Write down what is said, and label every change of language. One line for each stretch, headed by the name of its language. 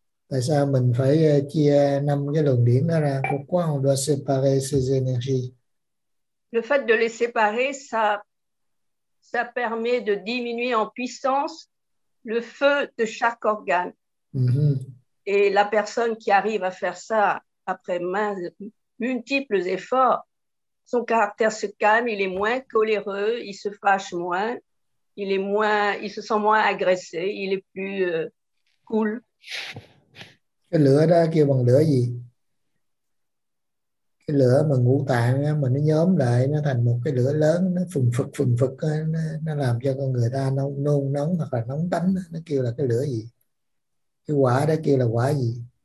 Vietnamese: Tại sao mình phải chia năm cái luồng điển đó ra?
French: Pourquoi on doit séparer ces énergies? Le fait de les séparer, ça permet de diminuer en puissance le feu de chaque organe. Mm-hmm. Et la personne qui arrive à faire ça après multiples efforts, son caractère se calme, il est moins coléreux, il se fâche moins, il se sent moins agressé, il est plus cool.
Vietnamese: Cái lửa đó kêu bằng lửa gì? Cái lửa mà ngũ tạng mà nó nhóm lại nó thành một cái lửa lớn, nó phừng phực, nó làm cho con người ta nôn nóng hoặc là nóng tánh, nó kêu là cái lửa gì? Cái quả đó kêu là quả gì?